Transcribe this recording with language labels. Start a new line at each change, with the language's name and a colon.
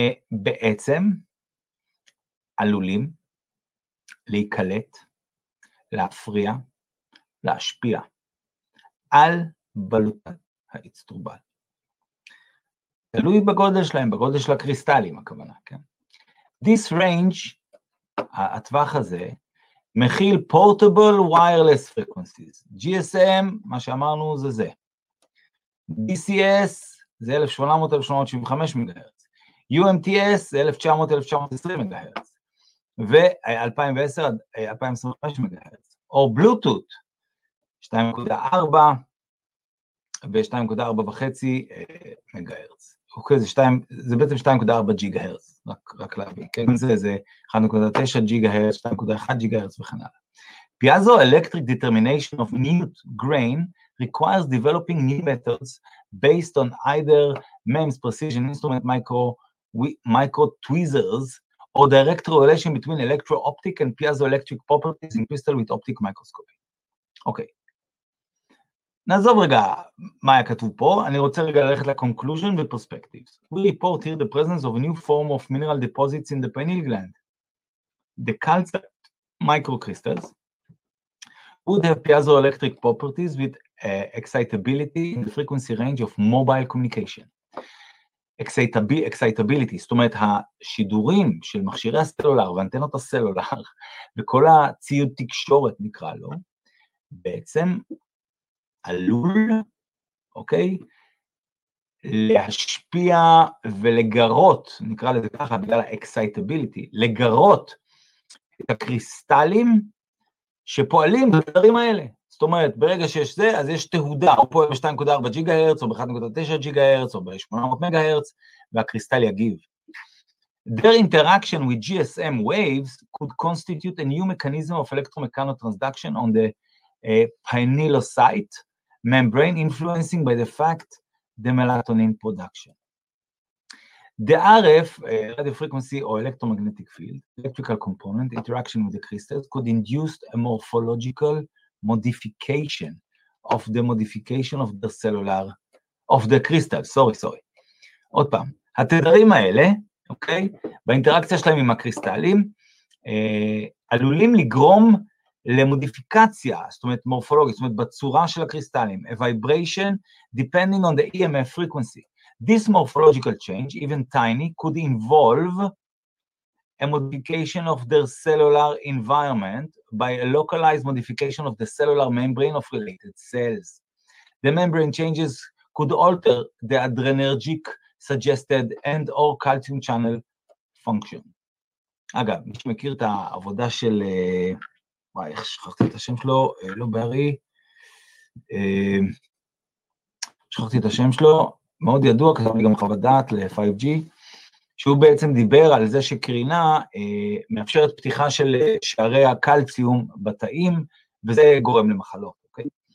Hebrew: בעצם עלולים להיקלט, להפריע, להשפיע על בלוטת האצטרובל. תלוי בגודל שלהם, בגודל של הקריסטלים, הכוונה, כן?
English: This range,
Hebrew: הטווח הזה, מכיל
English: portable wireless frequencies.
Hebrew: GSM, מה שאמרנו זה זה. DCS, זה 1800-1875 מגהרץ. UMTS, זה 1900-1920 מגהרץ. ו-2010-2025 מגהרץ. או Bluetooth, 2.4, ו-2.4.5 מגהרץ. אוקיי, זה בעצם 2.4 ג'יגה הרץ, רק להבין. כן, זה 1.9 ג'יגה הרץ, 2.1 ג'יגה הרץ וכן הלאה.
English: Piezo electric determination of minute grain requires developing new methods based on either MEMS precision instrument micro tweezers or direct relation between electro-optic and piezoelectric properties in crystal with optic microscopy.
Hebrew: אוקיי. נעזוב רגע מה היה כתוב פה, אני רוצה רגע ללכת לקונקלוז'ן ופרספקטיבס.
English: We report here the presence of a new form of mineral deposits in the pineal gland. The calcite microcrystals would have piezoelectric properties with excitability in the frequency range of mobile communication.
Hebrew: Excitability, זאת אומרת השידורים של מכשירי הסלולר ואנטנות הסלולר וכל הציוד תקשורת נקרא לו, בעצם עלול, אוקיי, להשפיע ולגרות, נקרא לזה ככה, בגלל ה-excitability, לגרות את הקריסטלים שפועלים בדברים האלה. זאת אומרת, ברגע שיש זה, אז יש תהודה, או פועל ב-2.4 ג'יגה הרץ, או ב-1.9 ג'יגה הרץ, או ב-800 מגה הרץ, והקריסטל יגיב.
English: Their interaction with GSM waves could constitute a new mechanism of electromechanical transduction on the pinealocyte, membrane influencing by the fact the melatonin production. The RF, radio frequency or electromagnetic field, electrical component interaction with the crystals could induce a morphological modification of the modification of the cellular, of the crystal, sorry.
Hebrew: עוד פעם, התדרים האלה, אוקיי, באינטראקציה שלהם עם הקריסטלים, עלולים לגרום למודיפיקציה, זאת אומרת מורפולוגית, זאת אומרת בצורה של הקריסטלים,
English: a vibration depending on the EMF frequency. This morphological change, even tiny, could involve a modification of their cellular environment by a localized modification of the cellular membrane of related cells. The membrane changes could alter the adrenergic suggested and or calcium channel function.
Hebrew: אגב, מי שמכיר את העבודה של וואי, איך שכחתי את השם שלו, לא בערי, שכחתי את השם שלו, מאוד ידוע, כתב לי גם חוות דעת ל-5G, שהוא בעצם דיבר על זה שקרינה מאפשרת פתיחה של שערי הקלציום בתאים, וזה גורם למחלות, אוקיי?